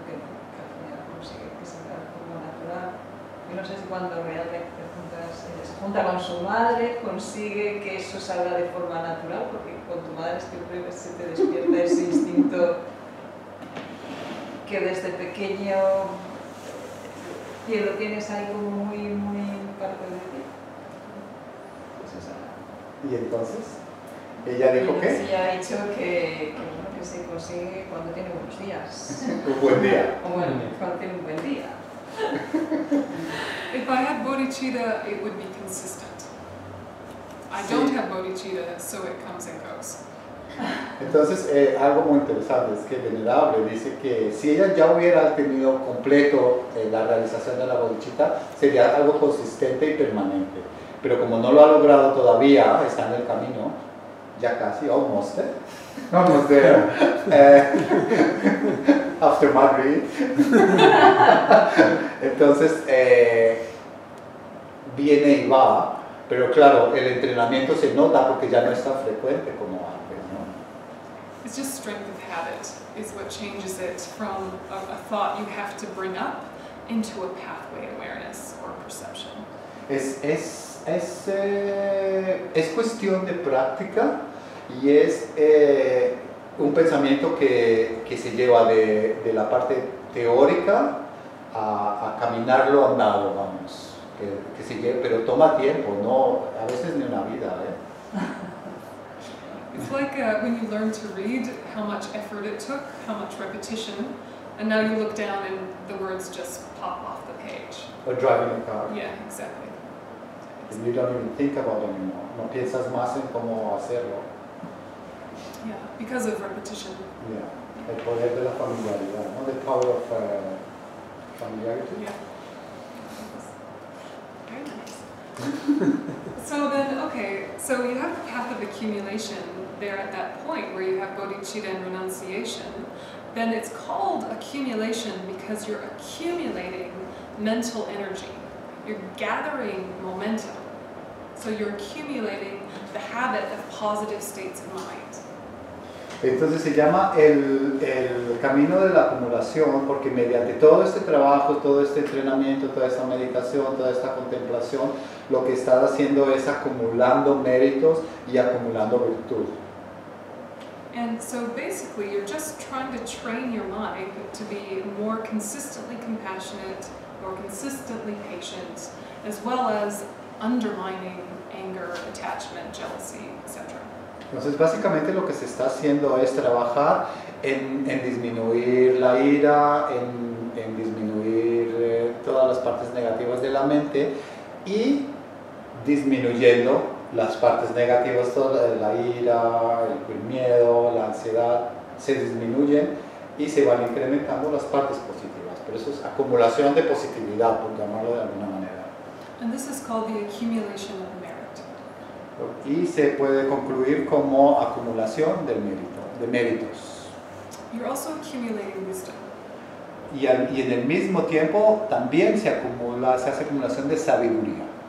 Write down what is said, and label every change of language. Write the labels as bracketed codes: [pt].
[es] que al final consigue que se vea yo no sé si cuando realmente se junta con su madre consigue que eso salga de forma natural porque con tu madre siempre se te despierta ese instinto que desde pequeño lo tienes ahí como muy muy parte de ti. Y entonces ella dijo que sí, ha dicho que se consigue cuando tiene buenos días. Un buen día. O bueno, cuando tiene un buen día. [en] If I had bodhicitta, it would be consistent. I don't have bodhicitta, so it comes and goes. [es] Entonces, algo muy interesante es que Venerable dice que si ella ya hubiera tenido completo la realización de la bodhicitta, sería algo consistente y permanente. Pero como no lo ha logrado todavía, está en el camino, ya casi, [en] almost there. After Madrid. [es] Entonces, viene y va, pero claro, el entrenamiento se nota porque ya no es tan frecuente como antes, ¿no? [en] It's just strength of habit is what changes it from a thought you have to bring up into a pathway awareness or perception. [es] Es cuestión de práctica y es un pensamiento que se lleva de la parte teórica a caminarlo andado, vamos. Que se lleve, pero toma tiempo, no, a veces ni una vida, ¿eh? [en] It's like when you learn to read, how much effort it took, how much repetition, and now you look down and the words just pop off the page. Or driving a car. Yeah, exactly. And you don't even think about it anymore. [es] No piensas más en cómo hacerlo. [en] Yeah, because of repetition. [es] Yeah, el poder de la familiaridad, ¿no? [en] The power of familiarity. Yeah. Very nice. So then, okay, so you have the path of accumulation there at that point where you have bodhicitta and renunciation. Then it's called accumulation because you're accumulating mental energy. You're gathering momentum. So you're accumulating the habit of positive states of mind. [es] Entonces se llama el camino de la acumulación porque mediante todo este trabajo, todo este entrenamiento, toda esta meditación, toda esta contemplación, lo que estás haciendo es acumulando méritos y acumulando virtud. [en] And so basically you're just trying to train your mind to be more consistently compassionate, more consistently patient, as well as undermining anger, attachment, jealousy, etc. [es] Entonces, básicamente lo que se está haciendo es trabajar en disminuir la ira, en disminuir todas las partes negativas de la mente y disminuyendo las partes negativas, toda la ira, el miedo, la ansiedad, se disminuyen y se van incrementando las partes positivas. Por eso es acumulación de positividad, por llamarlo de alguna manera. [en] And this is called the accumulation of merit. [es] Y se puede concluir como acumulación del mérito, de méritos. [en] You're also accumulating wisdom. [es] Y en el mismo tiempo también se acumula, se hace acumulación de sabiduría.